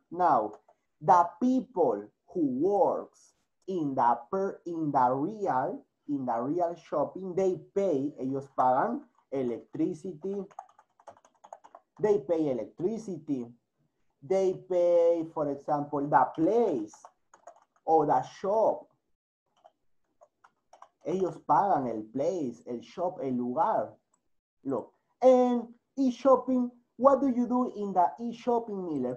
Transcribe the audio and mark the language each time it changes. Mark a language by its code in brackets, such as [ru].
[en] Now, the people who works in the real shopping, they pay, [es] ellos pagan [en] electricity. They pay electricity. They pay, for example, the place or the shop. [es] Ellos pagan el place, el shop, el lugar. [en] Look. And e-shopping, what do you do in the e-shopping, Miller?